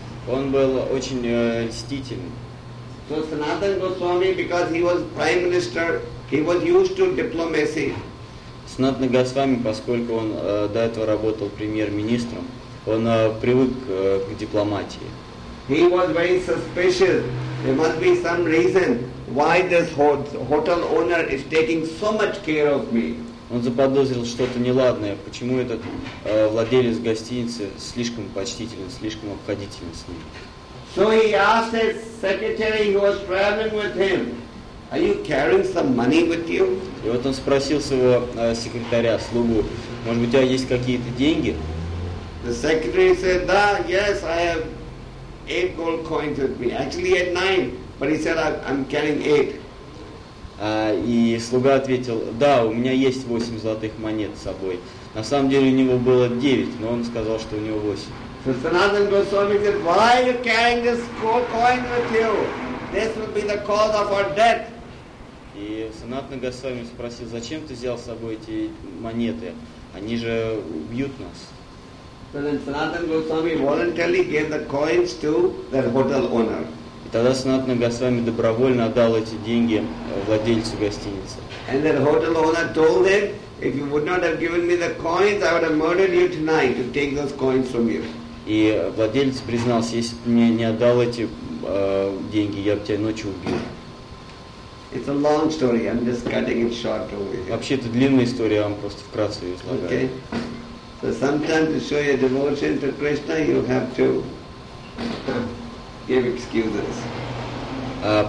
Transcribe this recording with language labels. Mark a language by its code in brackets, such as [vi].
[ru] Он был очень льстительным. [en] So Sanatan Goswami, because he was prime minister, he was used to diplomacy. [ru] Санатана Госвами, поскольку он до этого работал премьер-министром, он привык к дипломатии. [en] He was very suspicious. There must be some reason why this hotel owner is taking so much care of me. [ru] Он заподозрил что-то неладное. Почему этот владелец гостиницы слишком почтителен, слишком обходителен с ним? [en] So he asked his secretary, who was traveling with him, "Are you carrying some money with you?" [ru] И вот он спросил своего секретаря, слугу, может быть, у тебя есть какие-то деньги? [en] The secretary said, [ru] "Да, [en] yes, I have 8 gold coins with me. Actually, I had 9, but he said, I'm carrying 8." [ru] И слуга ответил, да, у меня есть 8 золотых монет с собой. На самом деле у него было 9, но он сказал, что у него 8. [en] So Sanatan Goswami said, "Why are you carrying this gold coin with you? This will be the cause of our death." [ru] И Санатана Госвами спросил, зачем ты взял с собой эти монеты? Они же убьют нас. [en] So then Sanatan Goswami voluntarily gave the coins to the hotel owner. [ru] И тогда Санатана Госвами добровольно отдал эти деньги владельцу гостиницы. [en] And the hotel owner told him, if you would not have given me the coins, I would have murdered you tonight to take those coins from you. [ru] И владелец признался, если бы мне не отдал эти деньги, я бы тебя ночью убил. [en] It's a long story. I'm just cutting it short over here. [ru] Вообще это длинная история, я вам просто вкратце ее излагаю. [en] Okay. So sometimes to show your devotion to Krishna, you have to give excuses.